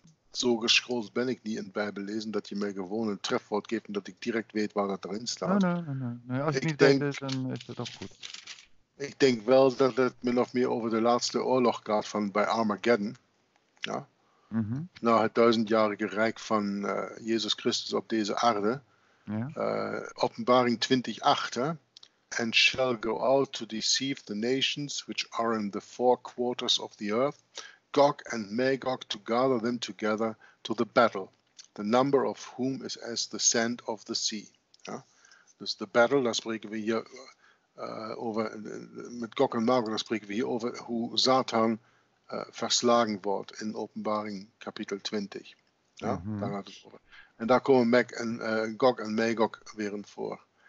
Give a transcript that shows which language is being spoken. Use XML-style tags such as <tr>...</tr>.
<nl>Zo geschoold ben ik niet in het Bijbellezen dat je mij gewoon een trefwoord geeft en dat ik direct weet waar dat erin staat. Nee. Als je niet denk, weet, dan is dat ook goed. Ik denk wel dat het min of meer over de laatste oorlog gaat van bij Armageddon. Ja? Mm-hmm. Nou, het duizendjarige rijk van Jezus Christus op deze aarde.</nl> <en>Yeah.</en> <nl>Openbaring 20:8.</nl> <en>And shall go out to deceive the nations which are in the four quarters of the earth, Gog and Magog, to gather them together to the battle, the number of whom is as the sand of the sea.</en> <nl>Ja? Dus de battle, daar spreken we hier over, met Gog en Magog, daar spreken we hier over hoe Satan verslagen wordt in Openbaring kapitel 20. Ja? Daar gaat het over. En daar komen Gog en Magog weer voor.</nl>